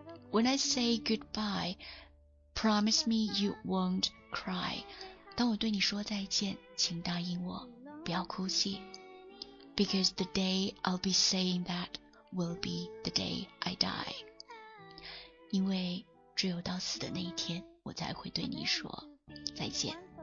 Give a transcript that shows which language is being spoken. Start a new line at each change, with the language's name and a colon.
English: When I say goodbye, promise me you won't cry.
Chinese: 当我对你说再见，请答应我不要哭泣。
English: Because the day I'll be saying that will be the day I die.
Chinese: 因为只有到死的那一天，我才会对你说再见。